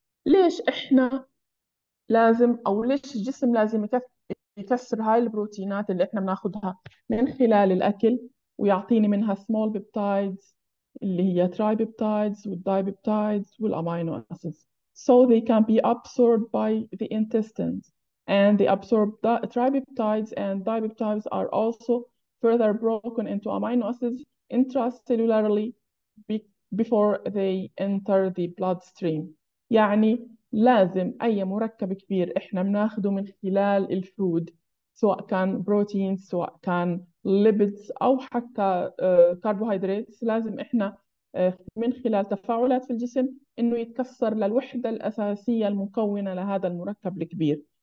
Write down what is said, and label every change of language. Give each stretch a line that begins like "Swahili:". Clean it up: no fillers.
Arabic: ليش إحنا لازم أو ليش الجسم لازم يكسر هاي البروتينات اللي إحنا بناخدها من خلال الأكل ويعطيني منها
English: small peptides
Arabic: اللي هي tripeptides والdipeptides والأمينو أسيدز؟
English: So they can be absorbed by the intestines. and the absorbed tripeptides and dipeptides are also further broken into amino acids intracellularly before they enter the bloodstream.
Arabic: يعني لازم أي مركب كبير إحنا بناخده من خلال الفود سواء كان بروتين سواء كان ليبيدز أو حتى كربوهيدرات لازم إحنا من خلال تفاعلات في الجسم إنه يتكسر للوحدة الأساسية المكونة لهذا المركب الكبير.